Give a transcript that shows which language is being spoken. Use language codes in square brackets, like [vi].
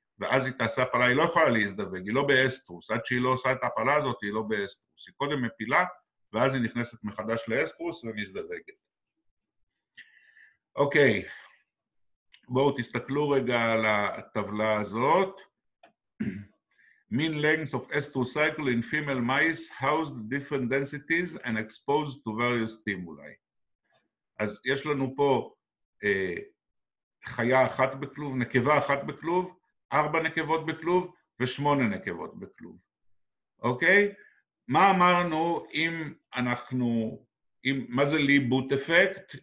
[he] ואז היא תעשה הפלה, היא לא יכולה להזדווג, היא לא באסטרוס, עד שהיא לא עושה את ההפלה הזאת, היא לא באסטרוס, היא קודם מפילה, ואז היא נכנסת מחדש לאסטרוס ומזדווגת. אוקיי, בואו תסתכלו רגע על הטבלה הזאת. [en] Mean lengths of estrous cycle in female mice housed different densities and exposed to various stimuli. [he] אז יש לנו פה חיה אחת בכלוב, נקבה אחת בכלוב, ארבע נקבות בכלוב ושמונה נקבות בכלוב. אוקיי? מה אמרנו אם אנחנו, מה זה ליבוט אפקט?